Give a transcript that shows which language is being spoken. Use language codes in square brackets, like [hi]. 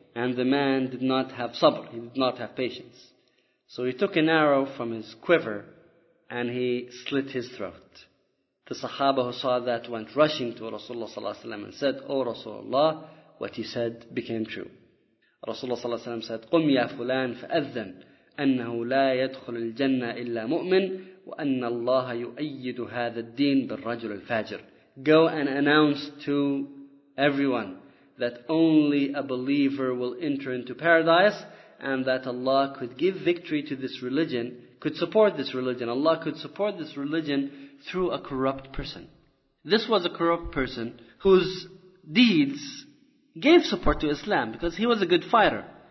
[en] And the man did not have sabr, he did not have patience. So he took an arrow from his quiver and he slit his throat. The Sahaba who saw that went rushing to Rasulullah ﷺ and said, O Rasulullah, what he said became true. Rasulullah ﷺ said, [ar] قُمْ يَا فُلَانْ فَأَذَّنْ أَنَّهُ لَا يَدْخُلُ الْجَنَّةِ إِلَّا مُؤْمِنْ وَأَنَّ اللَّهَ يُؤَيِّدُ هَذَا الدِّينَ بِالرَّجُلِ الْفَاجِرِ. [en] Go and announce to everyone that only a believer will enter into paradise, and that Allah could give victory to this religion, could support this religion. Allah could support this religion through a corrupt person. This was a corrupt person whose deeds gave support to Islam, because he was a good fighter.